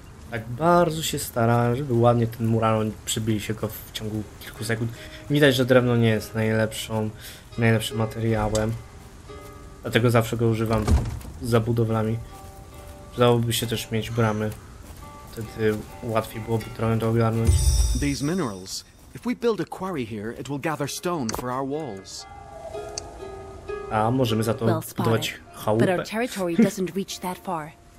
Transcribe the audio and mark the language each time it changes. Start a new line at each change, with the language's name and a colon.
Polish: Tak bardzo się starałem, żeby ładnie ten mural, przybili się go w ciągu kilku sekund. Widać, że drewno nie jest najlepszym materiałem. Dlatego zawsze go używam za budowlami. Przydałoby się też mieć bramy. Wtedy łatwiej byłoby trochę to ogarnąć.
English: These minerals. If we build a quarry here, it will gather stone for our walls.
Polish: A możemy za to budować chałupę.
English: But our territory doesn't reach that far.